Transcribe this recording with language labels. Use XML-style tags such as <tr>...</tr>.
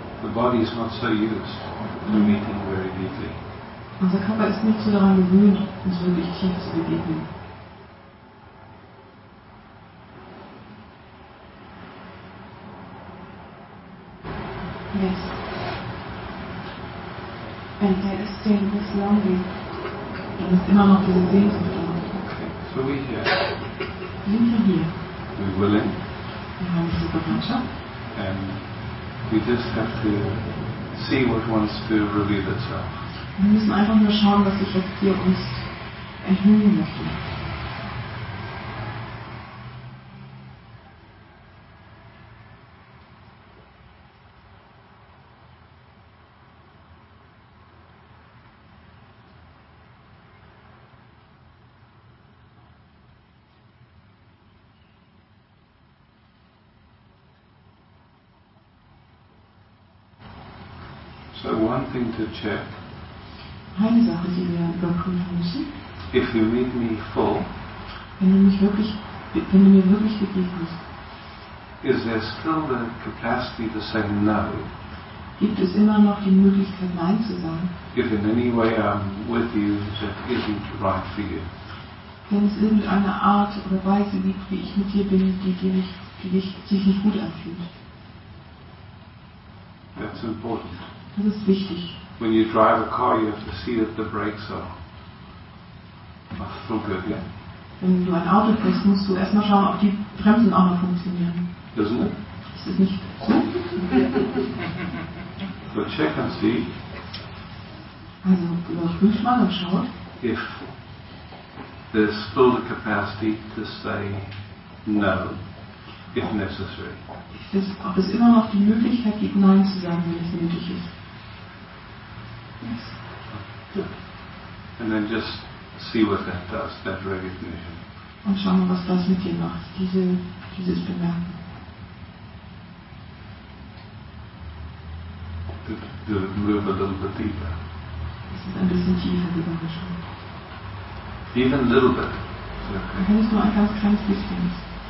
<en>The body is not so used in the meeting very deeply.</en> <de>Unser Körper ist nicht so daran gewöhnt, uns wirklich tief zu begegnen.</de> <en>Yes. And there is still this longing.</en> <de>Und es ist immer noch diese Sehnsucht. So wie hier. Sind wir hier?</de> <en>We're willing.</en> <de>Wir haben diese Bereitschaft.</de> <en>And we just have to see what wants to reveal itself.</en> <de>Wir müssen einfach nur schauen, was sich jetzt hier uns enthüllen möchte.</de> <en>So one thing to check.</en> <de>Eine Sache, die wir überprüfen müssen.</de> <en>If you meet me full.</en> <de>Wenn du mir wirklich begegnest.</de> <en>Is there still the capacity to say no?</en> <de>Gibt es immer noch die Möglichkeit, nein zu sagen?</de> <en>If in any way I'm with you, that isn't right for you.</en> <de>Wenn es irgendeine Art oder Weise gibt, wie ich mit dir bin, die sich nicht gut anfühlt.</de> <en>That's important.</en> <de>Das ist wichtig.</de> <en>When you drive a car, you have to see that the brakes are still good, yeah?</en> <de>Wenn du ein Auto fährst, musst du erstmal schauen, ob die Bremsen auch noch funktionieren.</de> <en>Isn't it?</en> <de>Ist es nicht so?</de> <en>So check and see.</en> <de>Also überprüf mal und schau.</de> <en>If there's still the capacity to say no, if necessary.</en> <de>Ob es immer noch die Möglichkeit gibt, nein zu sagen, wenn es nötig ist.</de> <en>And then just see what that does, that recognition.</en> <de>Und schau mal, was das mit dir macht, dieses Bemerken.</de> <en>To move a little bit deeper.</en> <de>Es ist ein bisschen tiefer gegangen schon.</de> <en>Even a little bit. Okay.</en> <de>Wenn es nur ein ganz kleines bisschen ist.</de>